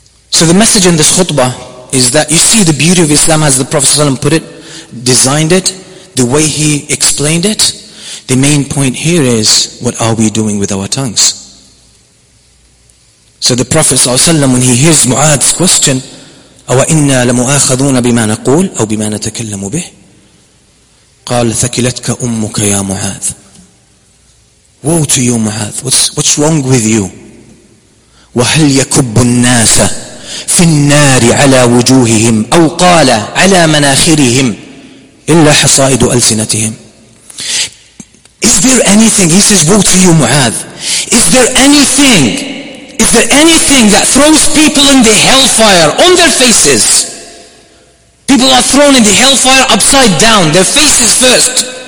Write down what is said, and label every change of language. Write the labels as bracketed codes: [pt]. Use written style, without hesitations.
[en] So the message in this khutbah is that you see the beauty of Islam as the Prophet ﷺ put it, designed it, the way he explained it. The main point here is, what are we doing with our tongues? So the Prophet ﷺ, when he hears Mu'adh's question, [ar] أَوَإِنَّا لَمُؤَاخَذُونَ بِمَا نَقُولُ أَوْ بِمَا نَتَكَلَّمُ بِهِ? قال ثكلتك أمك يا معاذ. [en] Woe to you معاذ, what's wrong with you. [ar] وهل يكب الناس في النار على وجوههم أو قال على مناخرهم إلا حصائد ألسنتهم. [en] Is there anything, he says, woe to you معاذ, is there anything that throws people in the hellfire on their faces? People are thrown in the hellfire upside down, their faces first.